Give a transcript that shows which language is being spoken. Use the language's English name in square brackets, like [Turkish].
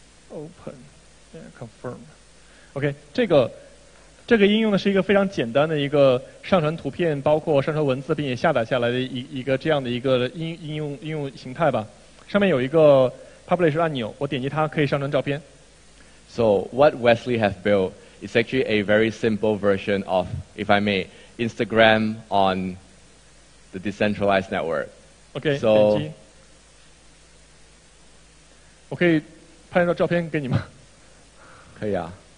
[English] Open. Yeah, confirm. [Chinese] Okay, 这个应用呢是一个非常简单的一个上传图片，包括上传文字，并且下载下来的一个这样的一个应用形态吧。上面有一个 publish 按钮，我点击它可以上传照片。So [English] what Wesley has built is actually a very simple version of, if I may, Instagram on the decentralized network. Okay. [Chinese] So 点击。我可以拍一张照片给你吗？可以啊。